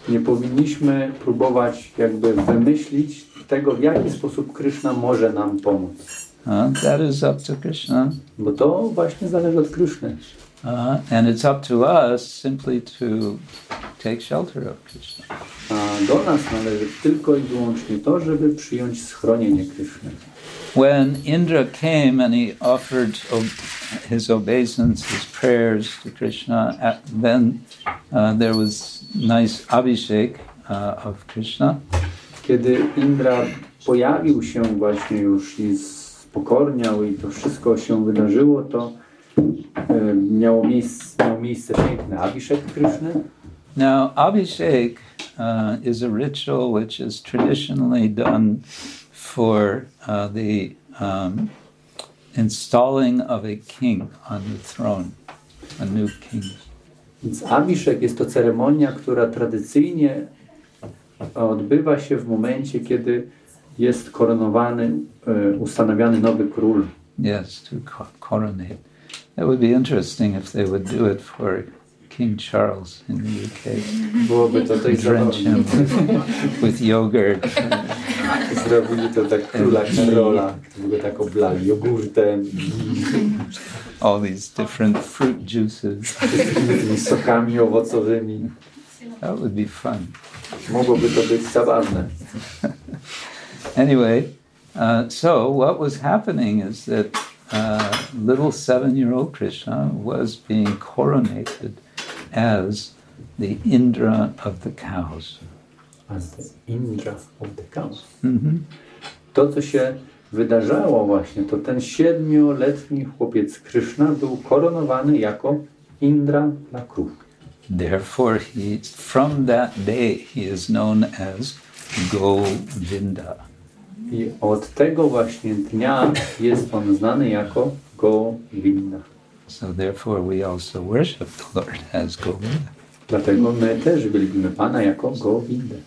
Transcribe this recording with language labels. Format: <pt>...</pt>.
<pl>Nie powinniśmy próbować jakby wymyślić tego, w jaki sposób Krishna może nam pomóc.</pl> <en>That is up to Krishna.</en> <pl>Bo to właśnie zależy od Krishny.</pl> <en>And it's up to us simply to take shelter of Krishna.</en> <pl>A do nas należy tylko i wyłącznie to, żeby przyjąć schronienie Krishny.</pl> <en>When Indra came and he offered his obeisance, his prayers to Krishna, then there was nice abhishek of Krishna.</en> <pl>Kiedy Indra pojawił się właśnie już i spokorniał i to wszystko się wydarzyło, to miał miejsce piękne abhishek Krishna.</pl> <en>Now abhishek is a ritual which is traditionally done for the installing of a king on the throne, a new king.</en> <pl>Więc abhishek jest to ceremonia, która tradycyjnie odbywa się w momencie, kiedy jest koronowany, ustanawiany nowy król.</pl> <en>Yes, to coronate. That would be interesting if they would do it for King Charles in the UK.</en> <pl>Byłoby to tej</pl> <en>drench him with yogurt.</en> <pl>Zrobili to tak króla Karola, który by tak oblał jogurtem.</pl> <en>All these different fruit juices.</en> <pl>Tymi sokami owocowymi.</pl> <en>That would be fun.</en> <pl>Mogłoby to być zabawne.</pl> <en>Anyway, so what was happening is that little seven-year-old Krishna was being coronated as the Indra of the cows. As the Indra of the cows. Mm-hmm.</en> <pl>To, co się wydarzało właśnie, to ten siedmioletni chłopiec Krishna był koronowany jako Indra dla krów.</pl> <en>Therefore, from that day, he is known as Govinda.</en> <pl>I od tego właśnie dnia jest on znany jako Govinda.</pl> <en>So therefore we also worship the Lord as Govinda.</en> <pl>Dlatego my też wielbimy Pana jako Govinda.</pl>